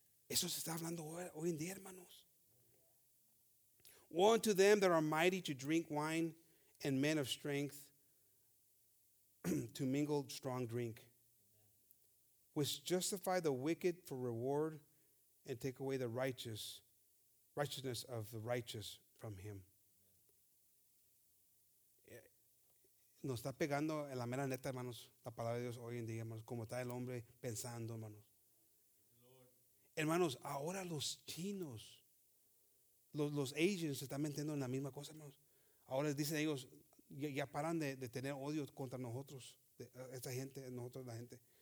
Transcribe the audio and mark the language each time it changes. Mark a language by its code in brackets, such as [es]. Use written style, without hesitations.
[es] Eso se está hablando hoy en día, hermanos. [en] Woe unto them that are mighty to drink wine and men of strength to mingle strong drink, which justify the wicked for reward and take away the righteousness of the righteous from him. [es] Nos está pegando en la mera neta, hermanos, la palabra de Dios hoy en día, hermanos, como está el hombre pensando, hermanos. Hermanos, ahora los chinos, los Asians se están metiendo en la misma cosa, hermanos. Ahora les dicen ellos, ya paran de tener odio contra nosotros, la gente.